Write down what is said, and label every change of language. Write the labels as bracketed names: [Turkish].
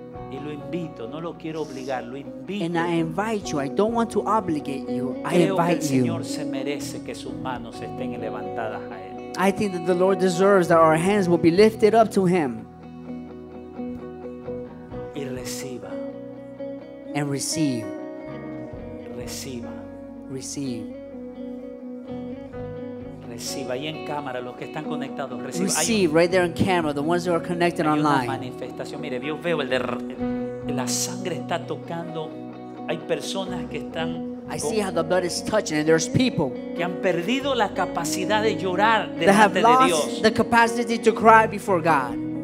[Spanish] Y lo invito, no lo quiero obligar, lo invito. [English] And I invite you. I don't want to obligate you. I invite you. [Spanish] El Señor se merece que sus manos estén levantadas a él. [English] I think that the Lord deserves that our hands will be lifted up to him. [Spanish] Y reciba. [English] And receive. [Spanish] Reciba. [English] Receive. [Spanish] Reciba ahí en cámara los que están conectados. [English] Receive right there in camera the ones who are connected online. [Spanish] Hay una manifestación. Mire, yo veo el la sangre está tocando. Hay personas que están. [English] I see how the blood is touching, and there's people [Spanish] que han perdido la capacidad de llorar delante de Dios. [English] That have lost the capacity to cry before God.